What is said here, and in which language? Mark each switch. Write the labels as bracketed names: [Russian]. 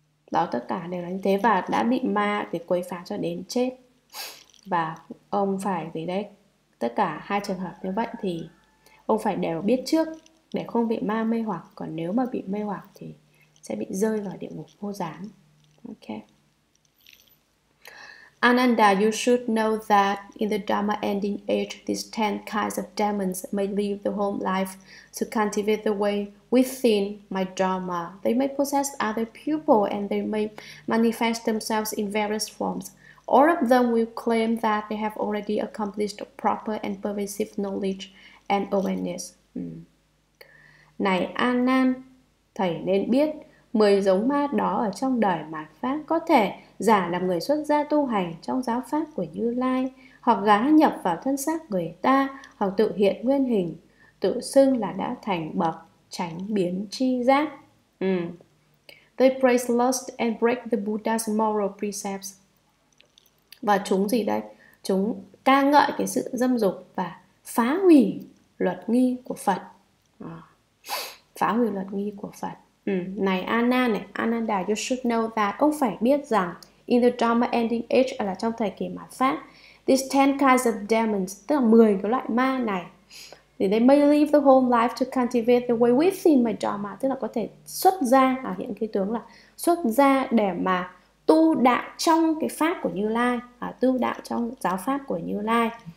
[Vietnamese] Đó, tất cả đều là như thế và đã bị ma thì quấy phá cho đến chết. Và ông phải gì đấy, tất cả hai trường hợp như vậy thì ông phải đều biết trước để không bị ma mê hoặc, còn nếu mà bị mê hoặc thì sẽ bị rơi vào địa ngục vô gián. Ok. [English] Ananda, you should know that in the Dharma ending age, these 10 kinds of demons may leave the home life to cultivate the way within my Dharma. They may possess other people and they may manifest themselves in various forms. All of them will claim that they have already accomplished proper and pervasive knowledge and awareness. [Vietnamese] Này Anan, thầy nên biết 10 giống ma đó ở trong đời mạt pháp có thể giả làm người xuất gia tu hành trong giáo pháp của Như Lai, hoặc gá nhập vào thân xác người ta, hoặc tự hiện nguyên hình, tự xưng là đã thành bậc chánh biến tri giác. [English] They praise lust and break the Buddha's moral precepts. [Vietnamese] Và chúng gì đây? Chúng ca ngợi cái sự dâm dục và phá hủy luật nghi của Phật. Phá hủy luật nghi của Phật. Này Anna này, [English] Ananda, you should know that. [Vietnamese] Ông phải biết rằng [English] in the Dharma ending age, [Vietnamese] là trong thời kỳ mạt pháp, [English] these 10 kinds of demons, [Vietnamese] tức là 10 cái loại ma này, thì [English] they may leave the home life to cultivate the way within my Dharma, [Vietnamese] tức là có thể xuất ra, hiện cái tướng là xuất ra để mà tu đạo trong cái pháp của Như Lai, tu đạo trong giáo pháp của Như Lai.